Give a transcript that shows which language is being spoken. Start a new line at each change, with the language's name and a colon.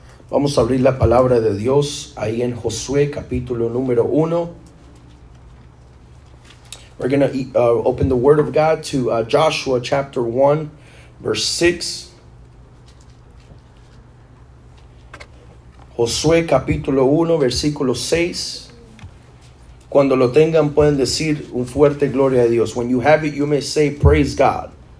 Spanish: Vamos a abrir la palabra de Dios ahí en Josué, capítulo número 1.
English: We're going to open the Word of God to Joshua, chapter 1, verse 6.
Spanish: Josué, capítulo 1, versículo 6. Cuando lo tengan, pueden decir un fuerte gloria a Dios.
English: When you have it, you may say, praise God.